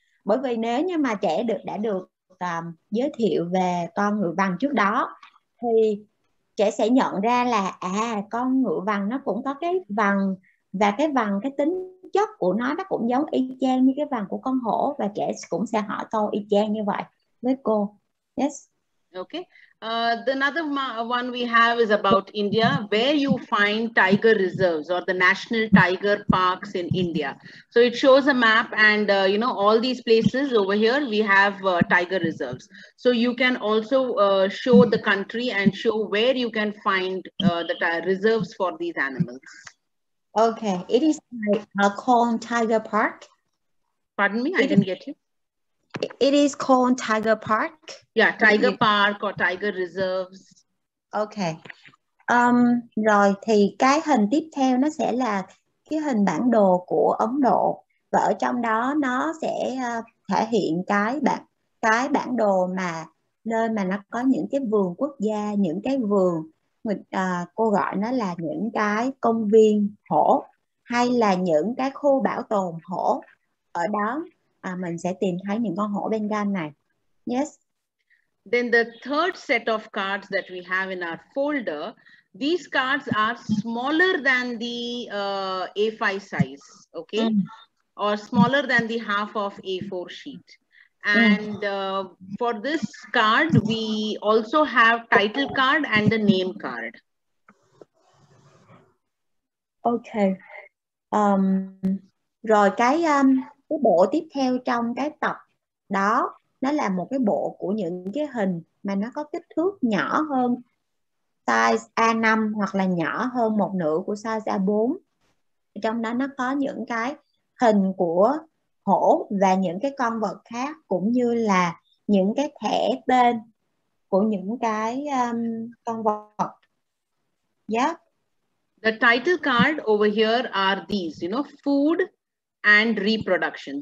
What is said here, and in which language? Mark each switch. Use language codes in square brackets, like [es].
[vi] Bởi vì nếu như mà trẻ đã được giới thiệu về con người bằng trước đó thì trẻ sẽ nhận ra là à, con ngữ vằn nó cũng có cái vằn, và cái vằn, cái tính chất của nó cũng giống y chang như cái vằn của con hổ, và trẻ cũng sẽ hỏi câu y chang như vậy với cô. [en] Yes. Okay. The another one we have is about India, where you find tiger reserves or the national tiger parks in India. So it shows a map and you know, all these places over here we have tiger reserves. So you can also show the country and show where you can find the reserves for these animals. Okay, it is called Tiger Park. Pardon me, I didn't get you. It is called Tiger Park. Yeah, Tiger Park or Tiger Reserves. Okay. [vi] Rồi thì cái hình tiếp theo nó sẽ là cái hình bản đồ của Ấn Độ, và ở trong đó nó sẽ thể hiện cái bản đồ mà nơi mà nó có những cái vườn quốc gia, những cái vườn cô gọi nó là những cái công viên hổ hay là những cái khu bảo tồn hổ ở đó. À, mình sẽ tìm thấy những con hổ Bengal này. [en] Yes. Then the third set of cards that we have in our folder, these cards are smaller than the A5 size, okay? Mm. Or smaller than the half of A4 sheet. And for this card, we also have title card and the name card. Okay. [vi] Rồi cái bộ tiếp theo trong cái tập đó, nó là một cái bộ của những cái hình mà nó có kích thước nhỏ hơn size A5 hoặc là nhỏ hơn một nửa của size A4. Trong đó nó có những cái hình của hổ và những cái con vật khác, cũng như là những cái thẻ tên của những cái con vật. [en] Yeah. The title card over here are these, you know, food and reproduction.